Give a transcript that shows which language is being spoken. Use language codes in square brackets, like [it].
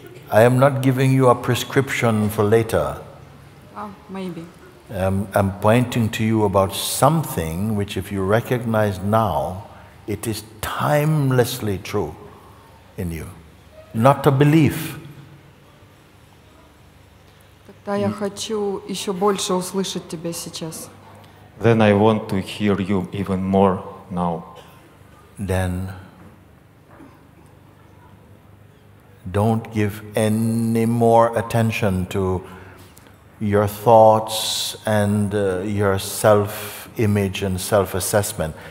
[en] I am not giving you a prescription for later. Maybe. I'm pointing to you about something which, if you recognize now, it is timelessly true in you. Not a belief. [ru] Тогда я хочу еще больше услышать тебя сейчас. [en] Then I want to hear you even more now. Then. Don't give any more attention to your thoughts and your self-image and self-assessment.